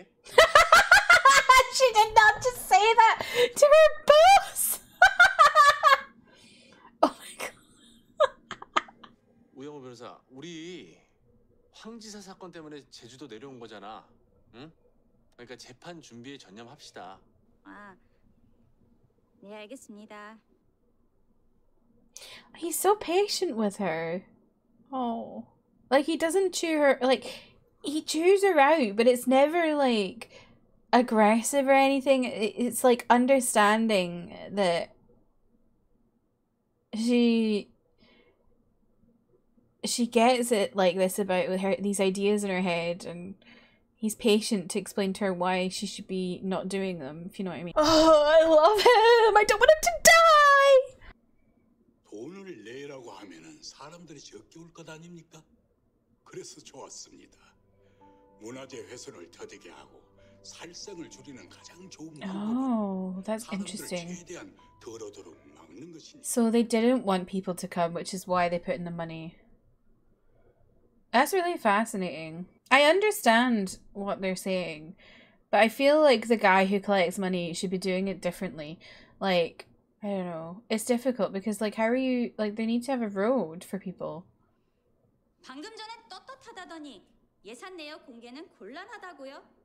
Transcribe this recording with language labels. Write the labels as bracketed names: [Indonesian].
[English] She did not just say that to her boss. Oh my god. [Korean] 우영우 변호사, 우리 황지사 사건 때문에 제주도 내려온 거잖아. 응? 그러니까 재판 준비에 전념합시다. 아. 네, 알겠습니다. [English] He's so patient with her. Oh. Like he doesn't chew her, like he chews her out, but it's never like aggressive or anything. It's like understanding that she gets it like this about with her these ideas in her head, and he's patient to explain to her why she should be not doing them, if you know what I mean. Oh, I love him! I don't want him to die! [Korean] 돈을 내라고 하면은 사람들이 적게 올 것 아닙니까? 그래서 좋았습니다. 문화재 훼손을 더디게 하고 살생을 줄이는 가장 좋은 방법은 사람들을 최대한 더러도록 막는 것입니다. [English] So they didn't want people to come, which is why they put in the money. That's really fascinating. I understand what they're saying, but I feel like the guy who collects money should be doing it differently. Like, I don't know. It's difficult because, like, how are you... Like, they need to have a road for people. [Korean] 방금 전에 떳떳하다더니 예산 내역 공개는 곤란하다고요?